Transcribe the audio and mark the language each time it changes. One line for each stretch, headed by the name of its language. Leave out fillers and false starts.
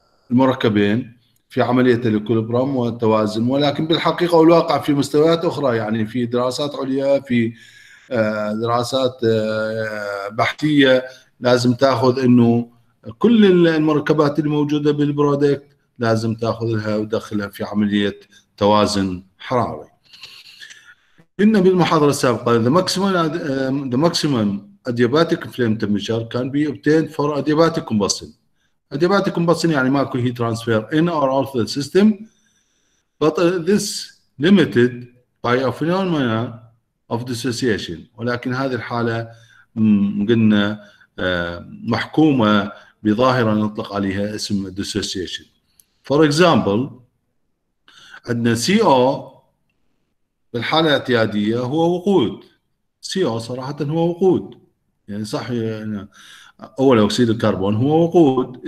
Arabic: المركبين في عملية الإكوليبرام والتوازن، ولكن بالحقيقة والواقع في مستويات أخرى، يعني في دراسات عليا، في دراسات بحثية لازم تأخذ إنه كل المركبات الموجودة بالبرودكت لازم تأخذها ودخلها في عملية توازن حراري. إن بالمحاضرة السابقة
English: the maximum adiabatic flame temperature can be obtained for adiabatic combustion. Adiabatic combustion
Arabic: يعني ماكو
English: heat transfer in or out of the system, but this limited by a phenomena of dissociation.
Arabic: ولكن هذه الحالة قلنا محكومة بظاهرة نطلق عليها اسم dissociation.
English: For example,
Arabic: عندنا CO بالحالة الاعتيادية هو وقود. CO صراحة هو وقود، يعني صح، يعني أول أكسيد الكربون هو وقود.